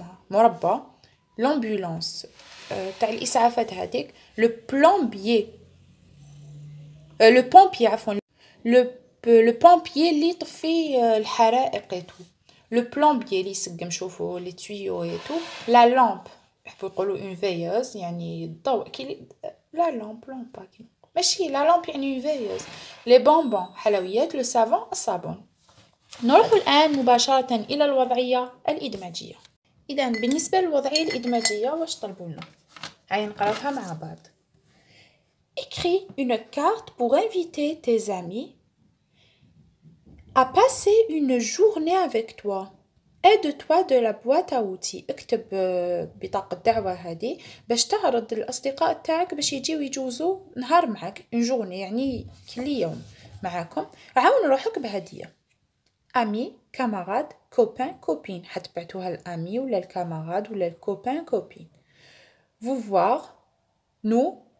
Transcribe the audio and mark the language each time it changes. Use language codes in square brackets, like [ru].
[ar] مربى لامبولانس تاع الاسعافات هذيك لو بلومبيير لو بومبيير عفوا لو بومبيير اللي يطفي الحرائق ايتو لو بلومبيير اللي يسقم شوفو لي تويو ايتو لا لامب يحبوا يقولوا اون فيوز يعني الضوء كي لا لامب لامب ماشي لا لامب يعني اون فيوز لي بونبون حلويات لو صابون الصابون. نروحوا الان مباشره الى الوضعيه الادماجيه. إذن بالنسبة للوضعية الإدماجية واش طلبوا لنا؟ هاي نقراوها مع بعض. [fr] Écris une carte pour inviter tes amis à passer une journée avec toi. Aide-toi de la boîte à outils. [ar] اكتب بطاقة دعوة هذه باش تعرض الأصدقاء تاعك باش يجيو يجوزوا نهار معك. [fr] Une journée [ar] يعني كل يوم معاكم. عاون روحك بهدية. [fr] Ami, camarade, copain, copine. [ar] حتبعتوها الامي ولا الكامراد ولا الكوبين كوبين. [fr] Vous voir, nous,